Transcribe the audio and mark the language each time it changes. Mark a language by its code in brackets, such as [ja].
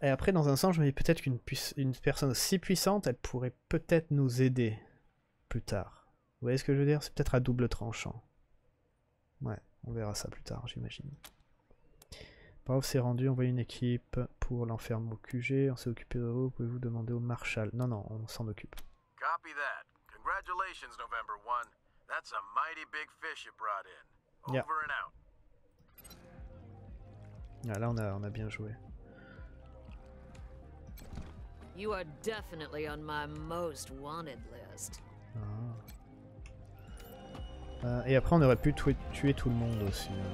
[fr] Et après, dans un sens, je me dis peut-être qu'une une personne aussi puissante, elle pourrait peut-être nous aider plus tard. Vous voyez ce que je veux dire? C'est peut-être à double tranchant. Ouais, on verra ça plus tard, j'imagine. Bravo, c'est rendu, envoyez une équipe pour l'enfermer au QG, on s'est occupé de vous, pouvez-vous demander au Marshal? Non, on s'en occupe. [en] Copy that. Congratulations, November 1. That's a mighty big fish you brought in. Over and out. [fr] Ah, là, on a bien joué. [en] You are definitely on my most wanted list. Ah. [fr] Et après, on aurait pu tuer tout le monde aussi.